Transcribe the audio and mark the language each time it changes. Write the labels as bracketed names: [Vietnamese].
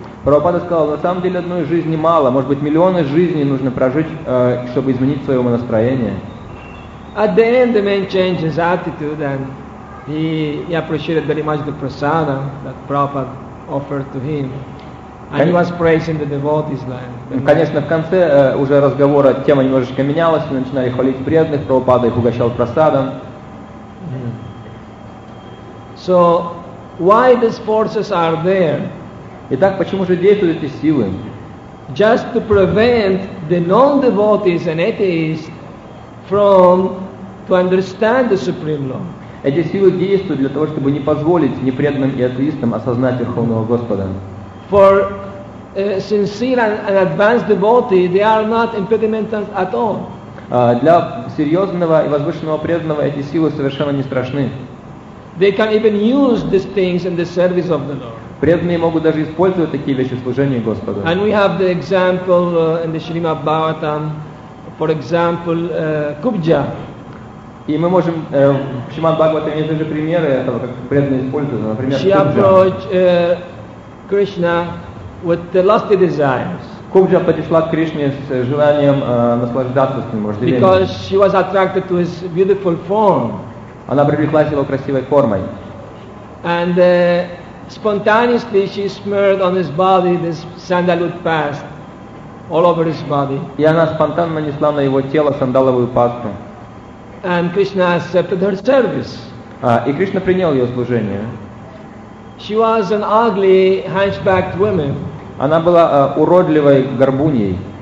[Russian] Прабхупада сказал, на самом деле одной жизни мало, может быть, миллионы жизней нужно прожить, чтобы изменить свое настроение. [English] At the end, the man changed his attitude and he appreciated very much the prasada that Prabhupada offered to him. And he was praising the devotees. [Russian] Конечно, в конце уже разговора тема немножечко менялась, мы начинали хвалить преданных, Прабхупада их угощал прасадом. [English] So, why these forces are there? [Russian] Итак, почему же действуют эти силы? [English] Just to prevent the non-devotees and atheists from to understand the Supreme Law. [Russian] Эти силы действуют для того, чтобы не позволить непреданным и атеистам осознать Верховного Господа. [English] For sincere and advanced devotees, they are not impediments at all. [Russian] Для серьезного и возвышенного преданного эти силы совершенно не страшны. [English] They can even use these things in the service of the Lord. [Russian] Преданные могут даже использовать такие вещи в служении Господу. [English] And we have the example in the Srimad Bhagavatam, for example, Kubja. [Russian] И мы можем в Шримад Бхагаватам есть даже примеры этого, как преданные используют, например, [English] Кубджа. She approached Krishna with the lusty desires. [Russian] Кубджа подошла к Кришне с желанием наслаждаться с ним, вожделением. [English] Because she was attracted to his beautiful form. [Russian] Она привлеклась его красивой формой. [English] And spontaneously she smeared on his body this sandalwood paste all over his body. [Russian] И она спонтанно нанесла на его тело сандаловую пасту. [English] And Krishna accepted her service. [Russian] И Кришна принял ее служение. [English] She was an ugly, hunchbacked woman. [Russian] Она была уродливой горбуньей.